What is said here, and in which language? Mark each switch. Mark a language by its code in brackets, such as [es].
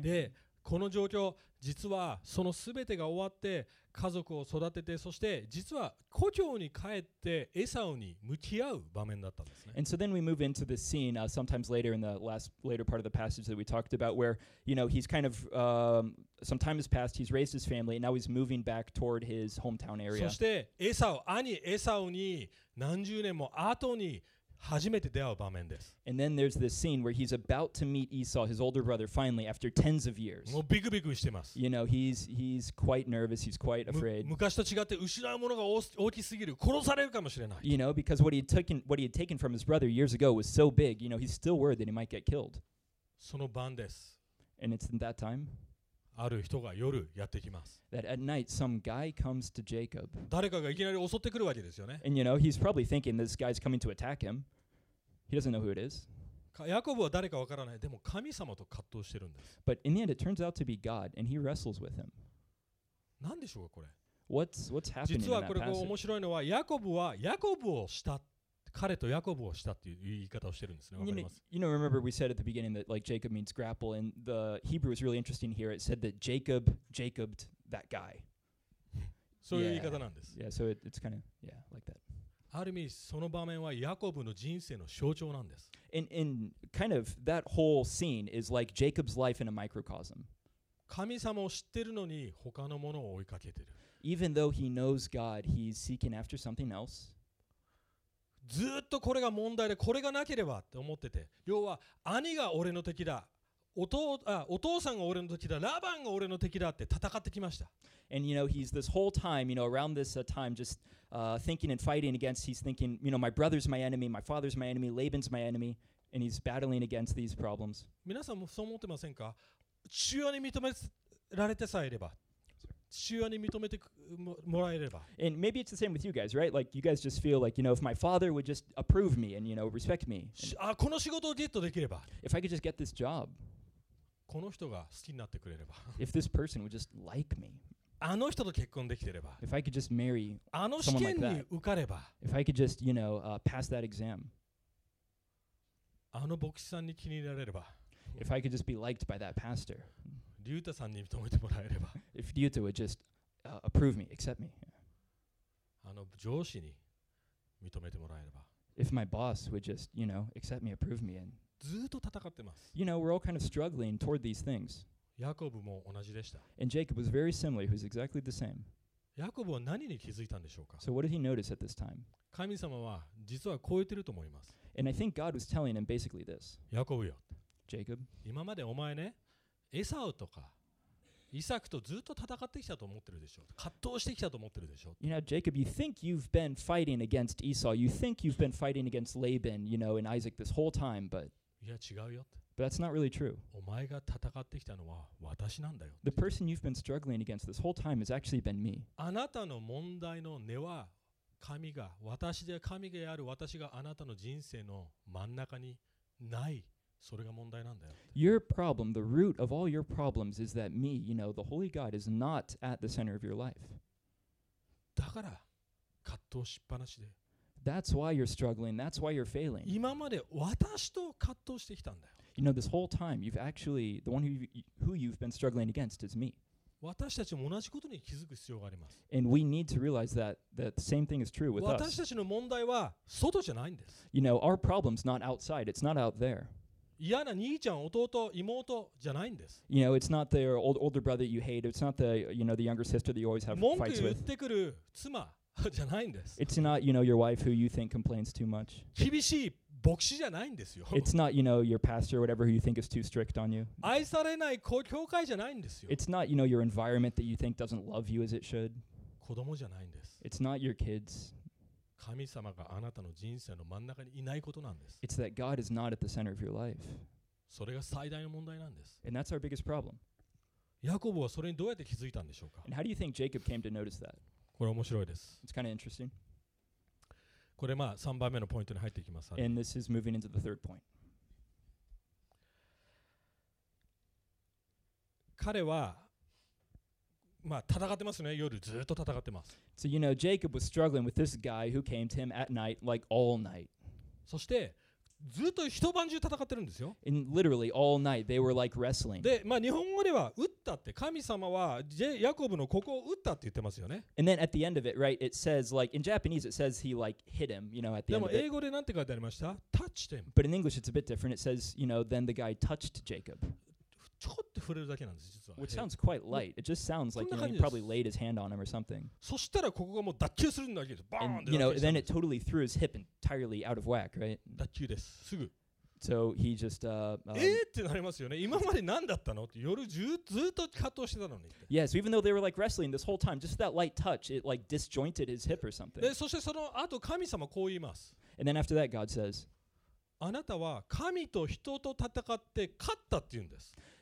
[ja] で、この状況、実はそのすべてが終わって、家族を育てて、そして実は故郷に帰ってエサウに向き合う場面だったんですね。 [en] And so then we move into this scene, sometimes later in the later part of the passage that we talked about, where, you know, he's kind of, some time has passed, he's raised his family, and now he's moving back toward his hometown area. [ja] そしてエサウ、兄エサウに何十年も後に初めて出会う場面です。 [en] And then there's this scene where he's about to meet Esau, his older brother, finally after tens of years. [ja] もうビクビクしてます。 [en] You know, he's quite nervous, he's quite afraid. [ja] 昔と違って失うものが大きすぎる、殺されるかもしれない。 [en] You know, because what he had taken from his brother years ago was so big, you know, he's still worried that he might get killed. [ja] その晩です。 [en] And it's in that time. [ja] ある人が夜やってきます。 [en] That at night some guy comes to Jacob. [ja] 誰かがいきなり襲ってくるわけですよね。 [en] And you know, he's probably thinking this guy's coming to attack him. He doesn't know who it is. [ja] ヤコブは誰かわからない。でも神様と葛藤してるんです。 [en] But in the end, it turns out to be God, and he wrestles with him. [ja] なんでしょうかこれ。 [en] What's happening in that passage? [ja] 実はこれ面白いのはヤコブを慕った。彼とヤコブを慕ったっていう言い方をしてるんですね。わかります。 [en] You know, remember we said at the beginning that like Jacob means grapple, and the Hebrew is really interesting here. It said that Jacobed that guy. [ja] そういう言い方なんです。 [en] Yeah, so it's kind of yeah like that. [ja] ある意味その場面はヤコブの人生の象徴なんです。 [en] In kind of that whole scene is like Jacob's life in a microcosm. [ja] 神様を知ってるのに他のものを追いかけてる。 [en] Even though he knows God, he's seeking after something else. [ja] ずっとこれが問題でこれがなければって思ってて、要は兄が俺の敵だ。お父さんが俺の敵だ、ラバンが俺の敵だって戦ってきました。 [en] And you know, he's this whole time, you know, around this time, just thinking and fighting against, he's thinking, you know, my brother's my enemy, my father's my enemy, Laban's my enemy, and he's battling against these problems. [ja] 皆さんもそう思ってませんか?父親に認められてさえいれば。父親に認めてもらえれば。 [en] And maybe it's the same with you guys, right? Like, you guys just feel like, you know, if my father would just approve me and, you know, respect me. [ja] あ、この仕事をゲットできれば。 [en] If I could just get this job. [ja] この人が好きになってくれれば。 [en] If this person would just like me. [ja] あの人と結婚できてれば。 [en] If I could just marry someone like that. [ja] あの試験に受かれば。 [en] If I could just, you know, pass that exam. [ja] あの牧師さんに気に入られれば。 [en] If I could just be liked by that pastor. [ja] リュータさんに認めてもらえれば。 [en] If リュータ would just approve me, accept me. [ja] あの上司に認めてもらえれば。 [en] If my boss would just, you know, accept me, approve me, and... [ja] ずっと戦ってます。 [en] You know, we're all kind of struggling toward these things. [ja] ヤコブも同じでした。 [en] And Jacob was very similar, he was exactly the same. [ja] ヤコブは何に気づいたんでしょうか? [en] So what did he notice at this time? [ja] 神様は実は超えてると思います。 [en] And I think God was telling him basically this. [ja] ヤコブよ。 [en] Jacob? [ja] 今までお前ね、エサウとか、イサクとずっと戦ってきたと思ってるでしょ。葛藤してきたと思ってるでしょ。 [en] You know, Jacob, you think you've been fighting against Esau. You think you've been fighting against Laban, you know, and Isaac this whole time, but... [ja] いや違うよ。 [en] But that's not really true. [ja] お前が戦ってきたのは私なんだよ。 [en] The person you've been struggling against this whole time has actually been me. [ja] あなたの問題の根は神が、私で神がある私があなたの人生の真ん中にない。それが問題なんだよ。 [en] Your problem, the root of all your problems is that me, you know, the Holy God is not at the center of your life. [ja] だから葛藤しっぱなしで。 [en] That's why you're struggling. That's why you're failing. [ja] 今まで私と葛藤してきたんだよ。 [en] You know, this whole time, you've actually, the one who you've been struggling against is me. [ja] 私たちも同じことに気づく必要があります。 [en] And we need to realize that, that the same thing is true with us. [ja] 私たちの問題は外じゃないんです。 [en] You know, our problem's not outside. It's not out there. [ja] 嫌な兄ちゃん、弟、妹じゃないんです。 [en] You know, it's not the older brother you hate. It's not the, you know, the younger sister that you always have fights with. [ja] 文句言ってくる妻じゃないんです。 [en] It's not, you know, your wife who you think complains too much. [ja] 厳しい。牧師じゃないんですよ。 [en] It's not, you know, your pastor or whatever who you think is too strict on you. [ja] 愛されない教会じゃないんですよ。 [en] It's not, you know, your environment that you think doesn't love you as it should. [ja] 子供じゃないんです。 [en] It's not your kids. [ja] 神様があなたの人生の真ん中にいないことなんです。 [en] It's that God is not at the center of your life. [ja] それが最大の問題なんです。 [en] And that's our biggest problem. [ja] ヤコブはそれにどうやって気づいたんでしょうか。 [en] And how do you think Jacob came to notice that? [ja] これ面白いです。 [en] It's kind of interesting. [ja] これまあ3番目のポイントに入っていきます。 [en] And this is moving into the third point. [ja] 彼はまあ戦ってますね。夜ずっと戦ってます。 [en] So you know, Jacob was struggling with this guy who came to him at night, like all night. [ja] そしてずっと一晩中戦ってるんですよ。 [en] And literally all night, they were like wrestling. [ja] で、まあ日本語では撃ったって、神様はヤコブのここを撃ったって言ってますよね。 [en] And then at the end of it, right, it says like, in Japanese it says he like hit him, you know, at the end of it. [ja] でも英語でなんて書いてありました? [en] Touched him. But in English it's a bit different. It says, you know, then the guy touched Jacob. [ja] ちょっと触れるだけなんです、実は。 [en] Which sounds quite light. It just sounds like, you know, he probably laid his hand on him or something. [ja] そしたらここがもう脱臼するんだけど、バーンって。 [en] You know, then it totally threw his hip entirely out of whack, right? [ja] 脱臼です、すぐ。 [en] So he just, [ja] ってなりますよね。今まで何だったの? 夜ずっと葛藤してたのに。 [en] Yeah, so even though they were like wrestling this whole time, just that light touch, it like disjointed his hip or something. [ja] で、そしてその後神様こう言います。 [en] And then after that, God says, [ja] あなたは神と人と戦って勝ったって言うんです。